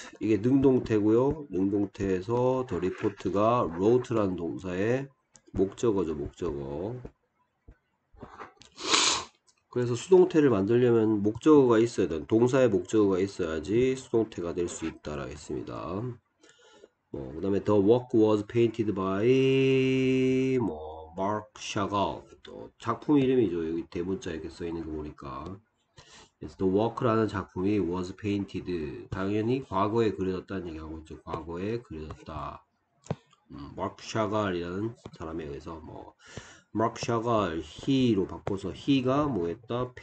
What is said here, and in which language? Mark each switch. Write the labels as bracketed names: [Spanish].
[Korean] 이게 능동태고요. 능동태에서 the report가 wrote라는 동사의 목적어죠. 목적어. 그래서 수동태를 만들려면 목적어가 있어야 된 동사의 목적어가 있어야지 수동태가 될수 있다라고 했습니다. 뭐 그다음에 [English] the work was painted by 뭐 Mark Chagall. [Korean] 또 작품 이름이죠. 여기 대문자 이렇게 써 있는 거 보니까. The work라는 작품이 was painted. 당연히 과거에 그려졌다는 얘기하고 있죠. 과거에 그려졌다. Mark Chagall이라는 사람에 의해서 뭐 Mark Chagall, he로 바꿔서 he가 뭐 했다?